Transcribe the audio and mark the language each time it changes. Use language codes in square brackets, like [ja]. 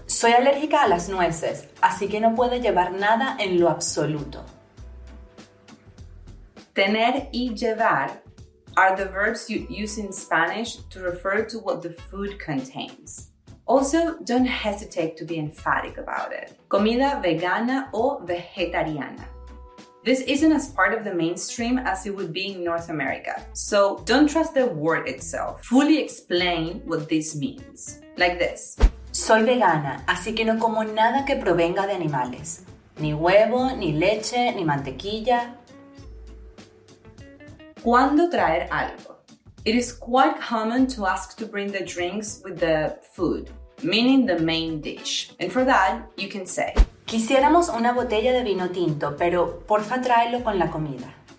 [es] soy alérgica a las nueces, así que no puedo llevar nada en lo absoluto. [en] Tener y llevar are the verbs you use in Spanish to refer to what the food contains. Also, don't hesitate to be emphatic about it. Comida vegana o vegetariana. This isn't as part of the mainstream as it would be in North America. So don't trust the word itself. Fully explain what this means. Like this. [es] Soy vegana, así que no como nada que provenga de animales. Ni huevo, ni leche, ni mantequilla. ¿Cuándo traer algo? [en] It is quite common to ask to bring the drinks with the food, meaning the main dish. And for that, you can say, [es] quisiéramos una botella de vino tinto, pero porfa tráelo con la comida.